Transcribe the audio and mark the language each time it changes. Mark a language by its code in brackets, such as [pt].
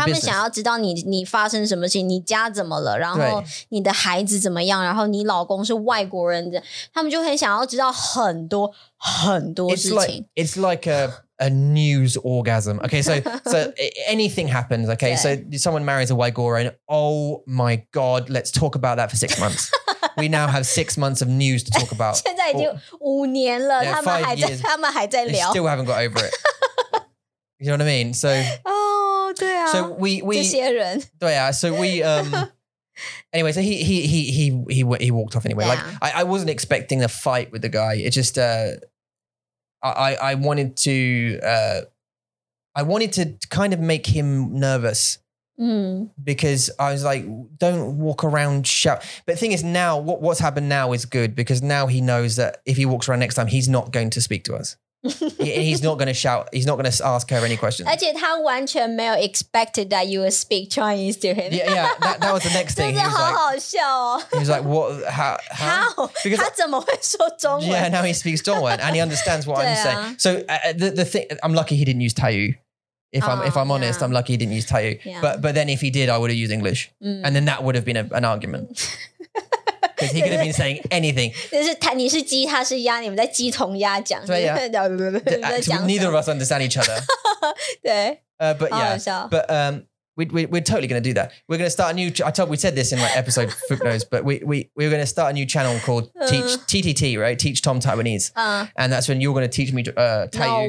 [zh] 他们想要知道你发生什么事情, 你家怎么了, 然后你的孩子怎么样, 然后你老公是外国人, 他们就很想要知道很多很多事情。 [en] It's like a news orgasm. Okay, so anything happens, okay? So someone marries a Waigoran, oh my God, let's talk about that for 6 months. We now have 6 months of news to talk about. [zh] 现在已经五年了,他们还在聊。 [en] They still haven't got over it. You know what I mean? So, [zh] oh, 对啊, 这些人。 对啊, [en] so we, Anyway, so he walked off anyway. Yeah. Like I wasn't expecting a fight with the guy. It just I wanted to kind of make him nervous. Because I was like, don't walk around shout. But the thing is now, what's happened now is good because now he knows that if he walks around next time, he's not going to speak to us. He's not going to shout. He's not going to ask her any questions. [zh] 而且他完全没有 [en] expected that you would speak Chinese to him. Yeah, that was the next thing. [zh] 真的好好笑哦。 [en] He was like, how? [zh] 他怎么会说中文? [en] Yeah, now he speaks 中文 and he understands what I'm saying. So the thing, I'm lucky he didn't use Taiyu. If I'm honest, yeah. I'm lucky he didn't use Taiyu. Yeah. But then if he did, I would have used English. Mm. And then that would have been an argument. Because he could have been saying anything. [zh] 你是鸡,他是鸭,你们在鸡同鸭讲。 [en] Neither of us understand each other. [zh] 对, [en] but yeah, but we're totally going to do that. We're going to start a new, we said this in like episode footnotes, but we're going to start a new channel called Teach TTT, right? Teach Tom Taiwanese. And that's when you're going to teach me Taiyu.